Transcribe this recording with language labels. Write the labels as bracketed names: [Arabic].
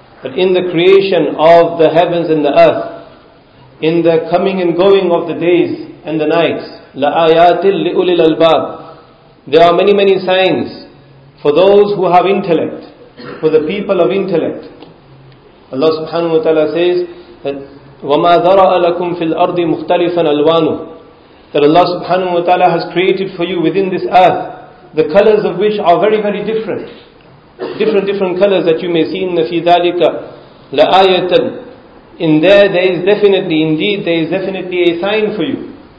[English] But in the creation of the heavens and the earth, in the coming and going of the days and the nights, [Arabic] لَآيَاتٍ لِأُولِي الْأَلْبَابِ. [English] There are many, many signs for those who have intellect, for the people of intellect. Allah subhanahu wa ta'ala says that [Arabic] وَمَا ذَرَأَ لَكُمْ فِي الْأَرْضِ مُخْتَلِفًا أَلْوَانُ. [English] That Allah subhanahu wa ta'ala has created for you within this earth the colors of which are very, very different. Different colors that you may see. [Arabic] إِنَّ فِي ذَلِكَ لَآيَةً. [English] In there is definitely, indeed, there is definitely a sign for you.